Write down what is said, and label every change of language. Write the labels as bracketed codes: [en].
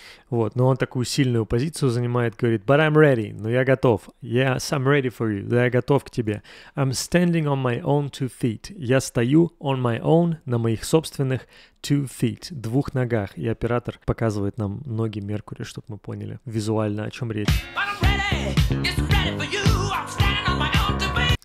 [ru] Вот, но он такую сильную позицию занимает, говорит, [en] but I'm ready, [ru] но я готов. [en] Yes, I'm ready for you, [ru] да, я готов к тебе. [en] I'm standing on my own two feet. [ru] Я стою [en] on my own, [ru] на моих собственных [en] two feet, [ru] двух ногах. И оператор показывает нам ноги Меркури, чтобы мы поняли визуально, о чем речь. [en] I'm ready, it's ready for you, I'm standing on my own two feet.